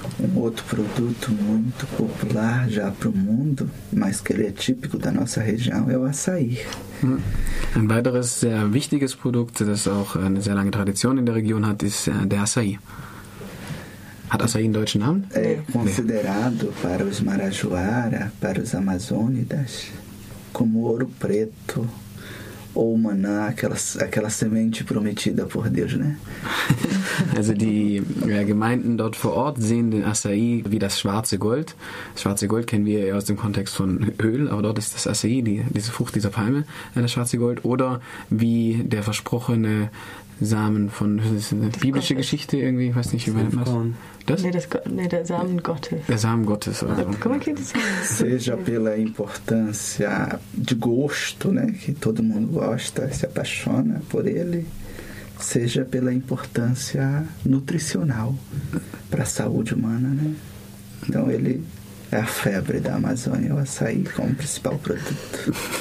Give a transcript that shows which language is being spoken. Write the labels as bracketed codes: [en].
[pt] Um outro produto muito popular já pro mundo, mas que ele é típico da nossa região, é o açaí. [de] Ein weiteres sehr wichtiges Produkt, das auch eine sehr lange Tradition in der Region hat, ist der Açaí. Hat Açaí einen deutschen Namen? [pt] É considerado para os marajoara, para os amazônidas, como ouro preto. Ou maná, aquela semente prometida por Deus, né? [de] Also die Gemeinden dort vor Ort sehen den Açaí wie das schwarze Gold. Das schwarze Gold kennen wir eher aus dem Kontext von Öl, aber dort ist das Açaí, diese Frucht dieser Palme, das schwarze Gold. Oder wie der versprochene Samen von, das ist eine biblische Geschichte irgendwie, ich weiß nicht, wie man das nennt. Der Samen Gottes. Der Samen Gottes. [pt] Seja pela importância de gosto, né, que todo mundo gosta, se apaixona por ele, seja pela importância nutricional para a saúde humana, né? Então ele é a febre da Amazônia, o açaí como principal produto.